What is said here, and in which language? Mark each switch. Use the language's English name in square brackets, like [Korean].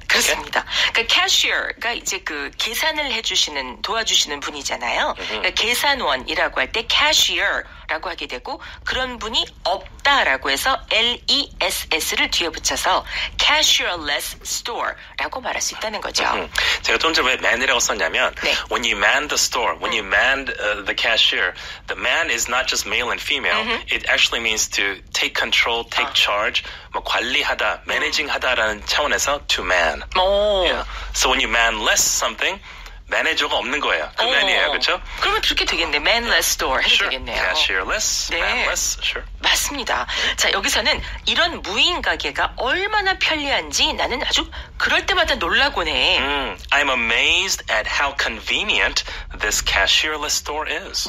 [Korean] 그렇습니다. [English] Okay? [Korean] 그러니까 cashier가 이제 그 계산을 해주시는 도와주시는 분이잖아요. 그러니까 계산원이라고 할 때 cashier 라고 하게 되고 그런 분이 없다 라고 해서 LESS를 뒤에 붙여서 cashierless store 라고 말할 수 있다는 거죠. 제가 좀 전에 왜 man이라고 썼냐면 네. [English] when you man the store, when you man the cashier, the man is not just male and female. It actually means to take control, take charge, [Korean] 뭐 관리하다, [English] managing 하다라는 차원에서 to man. So when you man less something, [Korean] 매니저가 없는 거예요. 그 매니에요. 그렇죠? 그러면 그렇게 되겠네. Manless store 해도 되겠네요. [English] Cashierless, 네. manless, sure. [Korean] 맞습니다. 자, 여기서는 이런 무인 가게가 얼마나 편리한지 나는 아주 그럴 때마다 놀라곤 해. [English] I'm amazed at how convenient this cashierless store is.